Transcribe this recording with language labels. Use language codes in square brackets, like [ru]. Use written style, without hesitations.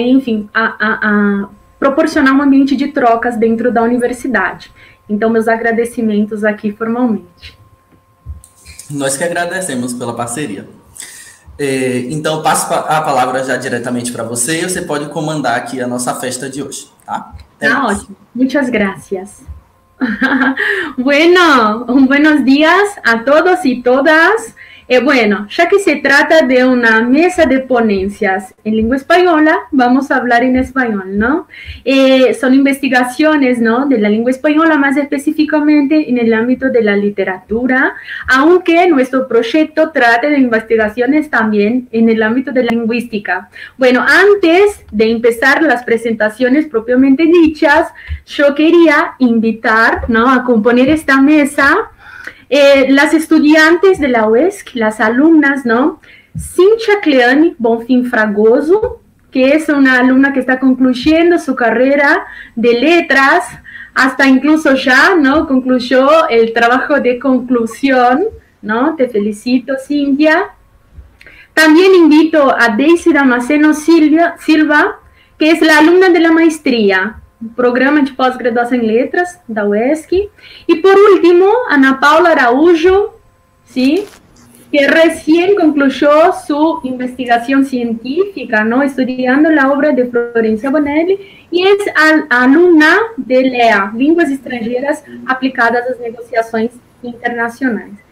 [pt] Enfim, proporcionar um ambiente de trocas dentro da universidade. Então, meus agradecimentos aqui formalmente. Nós que agradecemos pela parceria. Então, passo a palavra já diretamente para você e você pode comandar aqui a nossa festa de hoje, tá? É Ah, isso. ótimo. [es] Muchas gracias. Bueno, buenos días a todos y todas. Bueno, ya que se trata de una mesa de ponencias en lengua española, vamos a hablar en español, ¿no? Son investigaciones, ¿no? De la lengua española, más específicamente en el ámbito de la literatura, aunque nuestro proyecto trate de investigaciones también en el ámbito de la lingüística. Bueno, antes de empezar las presentaciones propiamente dichas, yo quería invitar, ¿no? A componer esta mesa. Las estudiantes de la UESC, las alumnas, ¿no? Cintia Cleani Bonfim Fragoso, que es una alumna que está concluyendo su carrera de letras, hasta incluso ya, ¿no? Concluyó el trabajo de conclusión, ¿no? Te felicito, Cintia. También invito a Daisy Damasceno Silva, que es la alumna de la maestría. [pt] Programa de pós-graduação em letras da UESC. E por último, Ana Paula Araújo, sim, que recém concluiu sua investigação científica, não, estudando a obra de Florencia Bonelli, e é aluna de LEA, Línguas Estrangeiras Aplicadas às Negociações Internacionais.